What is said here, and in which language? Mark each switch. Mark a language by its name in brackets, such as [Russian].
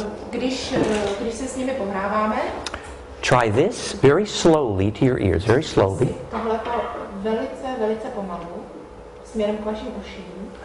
[Czech] Když se s nimi pohráváme, [English] try this very slowly to your ears, very slowly. [Czech] Tohleto velice, velice pomalu, směrem k vašim uším.